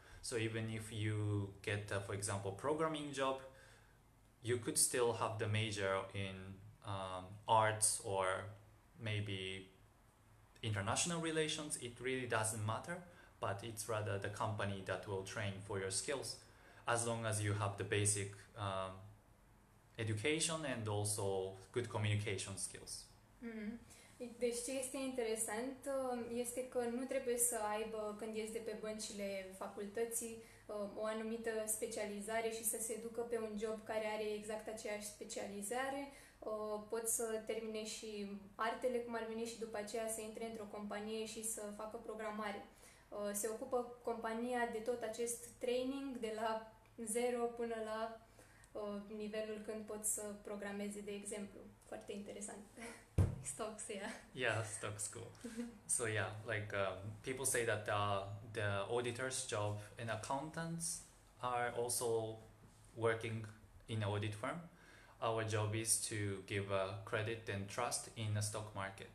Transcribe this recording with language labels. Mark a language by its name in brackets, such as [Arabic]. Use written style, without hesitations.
[English] So even if you get for example programming job, you could still have the major in arts or maybe international relations. It really doesn't matter, but it's rather the company that will train for your skills as long as you have the basic education and also good communication skills. [Romanian] Deci ce este interesant este că nu trebuie să aibă când ies de pe băncile facultății o anumită specializare și să se ducă pe un job care are exact aceeași specializare. Pot să termine și artele cum ar veni și după aceea să intre într-o companie și să facă programare. Se ocupă compania de tot acest training de la zero până la nivelul când pot să programeze, de exemplu. Foarte interesant. Stocks, [English] Yeah, stock school. So yeah, like people say that the auditor's job and accountants are also working in an audit firm. Our job is to give credit and trust in the stock market.